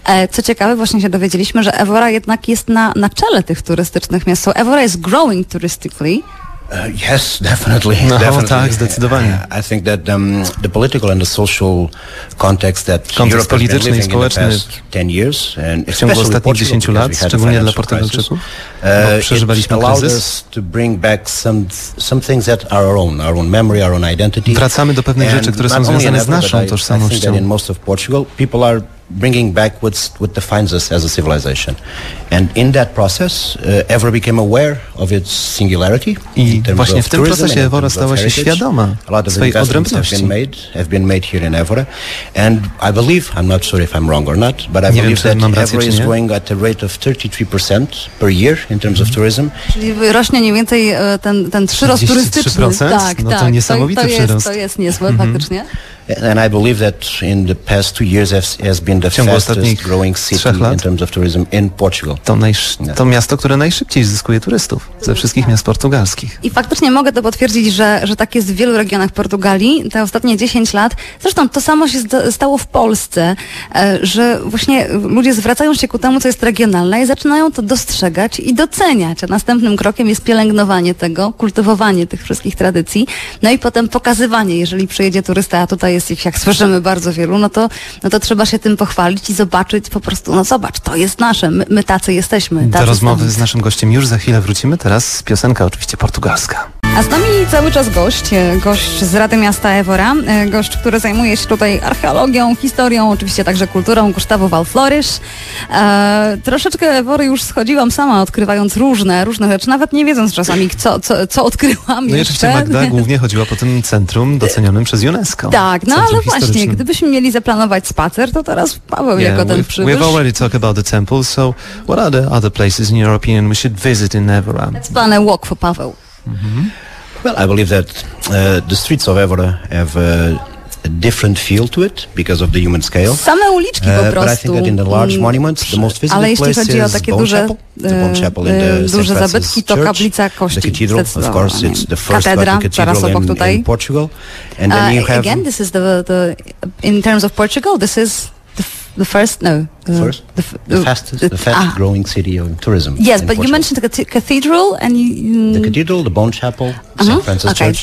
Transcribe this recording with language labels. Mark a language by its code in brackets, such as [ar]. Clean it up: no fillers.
[pl] Co ciekawe, właśnie się dowiedzieliśmy, że Évora jednak jest na czele tych turystycznych miast. [en] So Évora is growing touristically. Yes, definitely. [pl] Tak, zdecydowanie. [en] I think that the political and the social context that Europe has been living in the past 10 years, and especially [pl] w ostatnich 10 lat, szczególnie dla Portugalczyków, przeżywaliśmy kryzys. [en] To bring back some things that are our own memory, our own identity. [pl] Wracamy do pewnych rzeczy, które są związane z naszą tożsamością. [en] In most of Portugal, people are bringing back what defines us as a civilization. And in that process, Évora became aware of its singularity. [pl] I właśnie w tym procesie Évora stała się świadoma swojej odrębności. [en] Have been made here in Évora. And I believe, I'm not sure if I'm wrong or not, but I [pl] nie [en] believe [pl] wiem, [en] that Évora is growing at a rate of 33% per year in terms of tourism. [pl] Czyli rośnie mniej więcej ten przyrost turystyczny. Tak. To niesamowity przyrost. To jest niezłe faktycznie. [en] And I believe that in the past 2 years has been the fastest growing city in terms of tourism in Portugal. [pl] To miasto, które najszybciej zyskuje turystów ze wszystkich miast portugalskich. I faktycznie mogę to potwierdzić, że tak jest w wielu regionach Portugalii te ostatnie 10 lat. Zresztą to samo się stało w Polsce, że właśnie ludzie zwracają się ku temu, co jest regionalne i zaczynają to dostrzegać i doceniać. A następnym krokiem jest pielęgnowanie tego, kultywowanie tych wszystkich tradycji, no i potem pokazywanie, jeżeli przyjedzie turysta, a tutaj jest ich, jak słyszymy, bardzo wielu, no to trzeba się tym pochwalić. pochwalić i zobaczyć po prostu, no zobacz, to jest nasze, my tacy jesteśmy. Do rozmowy z naszym gościem już za chwilę wrócimy, teraz piosenka oczywiście portugalska. A z nami cały czas gość z Rady Miasta Évora, gość, który zajmuje się tutaj archeologią, historią, oczywiście także kulturą, Gustavo Valflores. Troszeczkę Évory już schodziłam sama, odkrywając różne rzeczy, nawet nie wiedząc czasami, co odkryłam jeszcze. No i oczywiście Magda głównie chodziła po tym centrum docenionym przez UNESCO. Tak, no ale właśnie, gdybyśmy mieli zaplanować spacer, to teraz Paweł jako ten przybysz. [en] We've already talked about the temple, so what are the other places in your opinion we should visit in Évora? Let's plan a walk for Paweł. Mm-hmm. Well, I believe that the streets of Évora have a different feel to it because of the human scale. [pl] Same uliczki po prostu. [en] But I think that in the large monuments, the most visited place is Bone Chapel. [pl] Ale jeśli chodzi o takie duże zabytki, to kaplica kościół. [en] The cathedral, of course, it's the first cathedral in Portugal. And then you have again, this is the in terms of Portugal, this is the first no. The fastest growing city of tourism. Yes, but you mentioned cathedral and the cathedral, the Bone Chapel, St. Francis Church.